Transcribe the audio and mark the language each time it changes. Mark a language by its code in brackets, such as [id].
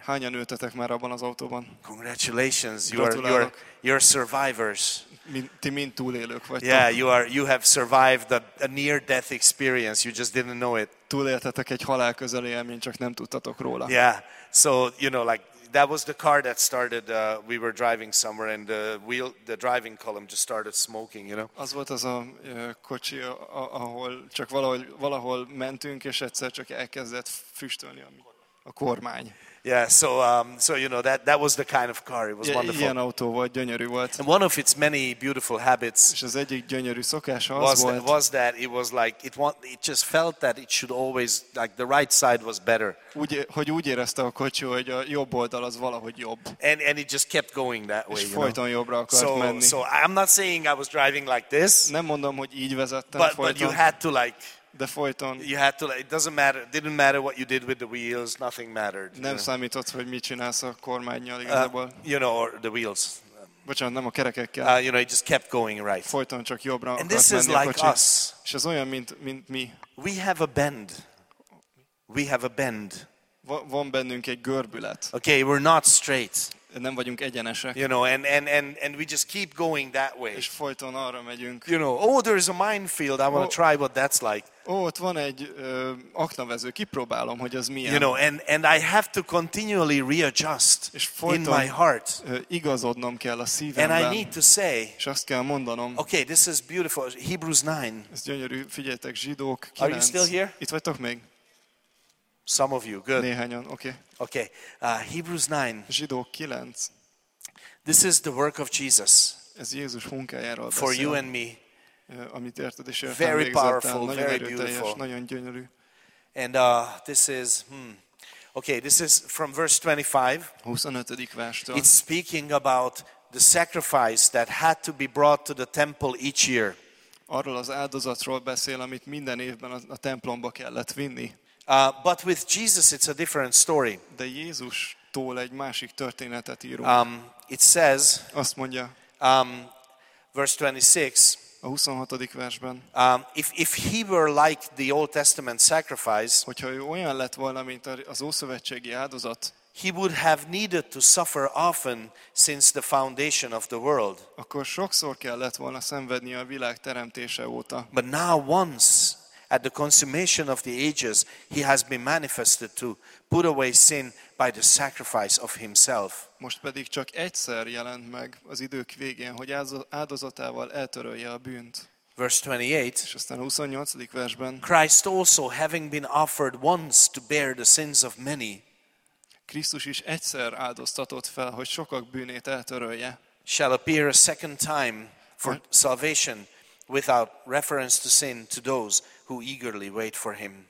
[hu] Hányan ültetek már abban az autóban? [en] Congratulations, you're survivors. [hu] Ti mind túlélők vagytok. [en] Yeah, you have survived a near death experience. You just didn't know it. [hu] Túléltetek egy halál közeli élményt, csak nem tudtatok róla. [en] Yeah. So, you know, like that was the car that started we were driving somewhere and the driving column just started smoking, you know. [hu] Az volt az a kocsi, ahol csak valahol mentünk és egyszer csak elkezdett füstölni a kormány. [en] Yeah, so you know that was the kind of car. It was wonderful. [hu] Ilyen autó volt, gyönyörű volt. [en] And one of its many beautiful habits. [hu] És az egyik gyönyörű szokása az [en] was [hu] volt. [en] Was that it was like it just felt that it should always like the right side was better. [hu] Úgy érezte a kocsi, hogy a jobb oldal az valahogy jobb. [en] And it just kept going that way. [hu] És folyton jobbra akart menni. [en] So I'm not saying I was driving like this. [hu] Nem mondom, hogy így vezettem folyton. [en] But you had to like. [hu] De folyton. [en] You had to. It doesn't matter. It didn't matter what you did with the wheels. Nothing mattered. [hu] Nem számított, hogy mit csinálsz a kormánnyal igazából. [en] You know, or the wheels. [hu] Bocsánat, nem a kerekekkel. [en] You know, it just kept going right. [hu] Folyton csak jobbra. [en] And this is like us. [hu] És ez olyan, mint mi. [en] We have a bend. We have a bend. [hu] Van bennünk egy görbület. [en] Okay, we're not straight. [hu] Nem vagyunk egyenesek. [en] You know, and we just keep going that way. [hu] És folyton arra megyünk. [en] You know, oh, there is a minefield. I want to try what that's like. [hu] Oh, ott van egy aknavező. Kipróbálom, hogy az milyen. [en] You know, and I have to continually readjust in my heart. [hu] És folyton igazodnom kell a szívemben. [en] And I need to say. [hu] És azt kell mondanom. [en] Okay, this is beautiful. Hebrews 9. [hu] Ez gyönyörű. Figyeljetek, Zsidók 9. [en] Are you still here? [hu] Itt vagytok még? [en] Some of you, good. [hu] Néhányan, okay. [en] Okay, Hebrews 9. [hu] Zsidók 9. [en] This is the work of Jesus. [hu] Ez Jézus munkájáról beszél. [en] For you and me. [hu] Amit érted és értem [en] Very [hu] végzettem. [en] Powerful, [hu] nagyon [en] very beautiful. [hu] Nagyon gyönyörű. [en] And this is okay, this is from verse 25. [hu] 25-től. [en] It's speaking about the sacrifice that had to be brought to the temple each year. [hu] Arról az áldozatról beszél, amit minden évben a templomba kellett vinni. [en] But with Jesus it's a different story. [hu] De Jézustól egy másik történetet írunk. [en] It says, [hu] azt mondja, [en] verse 26. [hu] A 26. versben. [en] If he were like the Old Testament sacrifice, [hu] hogyha ő olyan lett volna, mint az ószövetségi áldozat, [en] he would have needed to suffer often since the foundation of the world. [hu] Akkor sokszor kellett volna szenvedni a világ teremtése óta. [en] But now once, at the consummation of the ages, he has been manifested to put away sin by the sacrifice of himself. [hu] Most pedig csak egyszer jelent meg az idők végén, hogy áldozatával eltörölje a bűnt. [en] Verse 28. [hu] És aztán 28. versben. [en] Christ also, having been offered once to bear the sins of many. [hu] Krisztus is egyszer áldoztatott fel, hogy sokak bűnét eltörölje. [en] Shall appear a second time for salvation without reference to sin to those who eagerly wait for him.